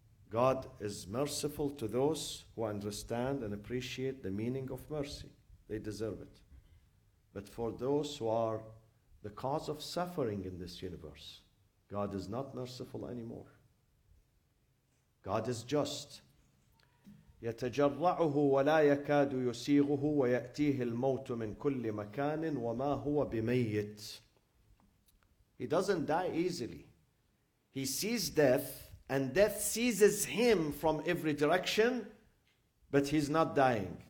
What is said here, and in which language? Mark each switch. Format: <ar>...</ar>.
<en>God is merciful to those who understand and appreciate the meaning of mercy. They deserve it. But for those who are the cause of suffering in this universe, God is not merciful anymore. God is just.</en> <ar>يتجرعه ولا يكاد يسيغه ويأتيه الموت من كل مكان وما هو بميت.</ar> <en>He doesn't die easily. He sees death, and death seizes him from every direction, but he's not dying.</en>